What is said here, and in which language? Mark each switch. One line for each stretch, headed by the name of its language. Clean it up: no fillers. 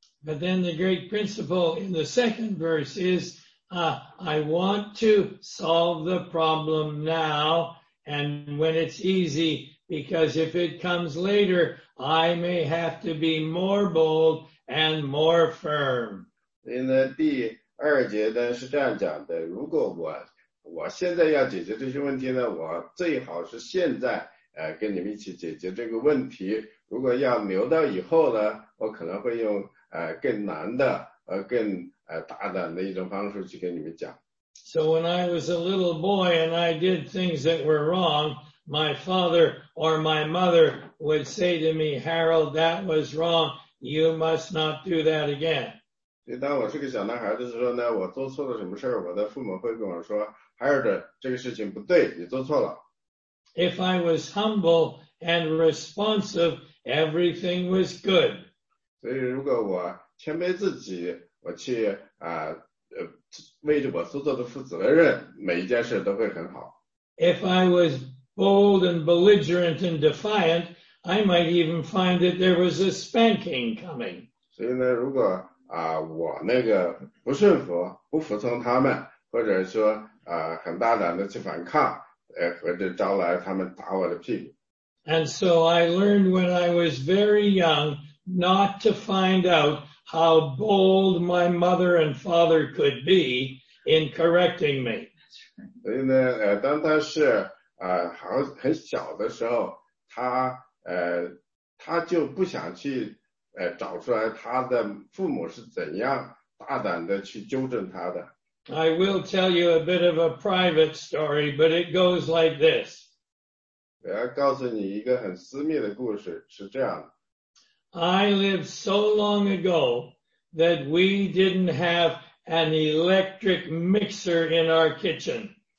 English: But then the great principle in the second verse is, I want to solve the problem now, and when it's easy,Because if it comes later, I may have to be more bold and more firm.
Chinese: 所以呢，第二节呢是这样讲的：如果我现在要解决这些问题呢，我最好是现在跟你们一起解决这个问题。如果要留到以后呢，我可能会用更难的更大胆的一种方式去跟你们讲。
English: So when I was a little boy and I did things that were wrong. My father or my mother would say to me, Harold, that was wrong. You must not do that again.
Chinese: 当我是个小男孩的时候呢，我做错了什么事，我的父母会跟我说， Harold, 这个事情不对，你做错了。
English: If I was humble and responsive, everything was good.
Chinese: 所以如果我谦卑自己，我去为着我所做的负责任，每一件事都会很好。
English: If I wasbold and belligerent and defiant, I might even find that there was a spanking coming.
Chinese: 所以呢，如果我那个不顺服、不服从他们，或者说很大胆的去反抗，或者招来他们打我的屁股。
English: And so I learned when I was very young not to find out how bold my mother and father could be in correcting me.
Chinese: 所以呢，当他是很小的时候他就不想去找出来他的父母是怎样大胆的去纠正他的。
English: I will tell you a bit of a private story, but it goes like this.
Chinese: 我要告诉你一个很私密的故事是这样的。
English: I lived so long ago that we didn't have an electric mixer in our kitchen.